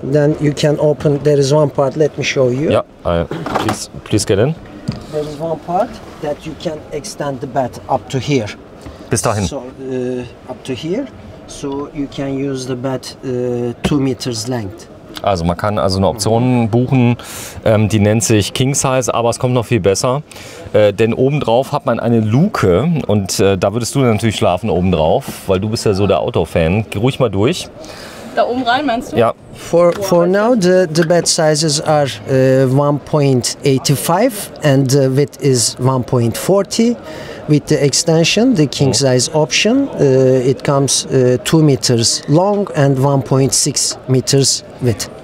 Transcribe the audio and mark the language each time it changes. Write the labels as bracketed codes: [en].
[en] Then you can open, there is one part, let me show you. Yeah, please get in. There is one part that you can extend the bed up to here. [de] Bis dahin. [en] So, up to here. So you can use the bed 2 meters length. [de] Also man kann also eine Option buchen, die nennt sich King Size, aber es kommt noch viel besser. Denn obendrauf hat man eine Luke und da würdest du natürlich schlafen obendrauf, weil du bist ja so der Outdoor-Fan. Geh ruhig mal durch. Da oben rein meinst du? Ja. [en] For now the bed sizes are 1.85 and the width is 1.40. With the extension, the king size option, it comes 2 meters long and 1.6 meters width.